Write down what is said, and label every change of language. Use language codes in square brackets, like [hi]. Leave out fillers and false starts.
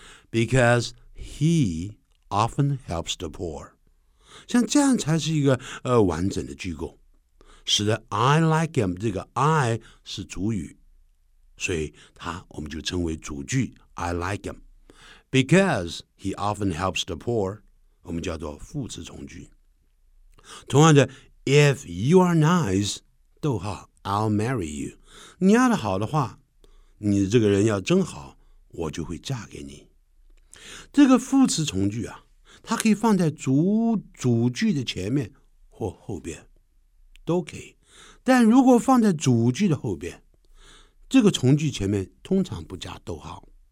[en] because he often helps the poor， [zh] 像这样才是一个完整的句构，使得 [en] I like him [zh] 这个 I 是主语，所以它我们就称为主句 I like him。 [en] Because he often helps the poor [zh] 我们叫做副词从句。同样的 [en] If you are nice [zh] 逗号 [en] I'll marry you， [zh] 你要的好的话，你这个人要真好，我就会嫁给你。这个副词从句啊，它可以放在 主句的前面或后边都可以，但如果放在主句的后边，这个从句前面通常不加逗号。